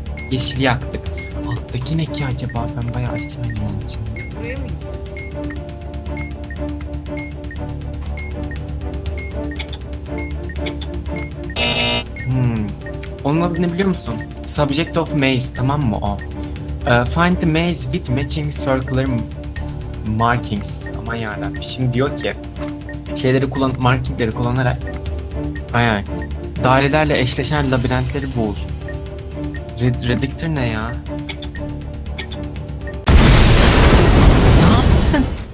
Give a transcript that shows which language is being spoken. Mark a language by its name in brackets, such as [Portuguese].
[Turkish] Yeşili yaktık. Alttaki ne ki acaba? Ben bayağı aşağı indim onun için. Buraya mı gittin? Onun adı ne biliyor musun? [English] Subject of maze, [Turkish] tamam mı o? [English] Find the maze with matching circular markings. [Turkish] Aman yarabbim. Şimdi diyor ki markingleri kullanarak aynen. Dairelerle eşleşen labirentleri bul. Redictor ne ya? Ne yaptın?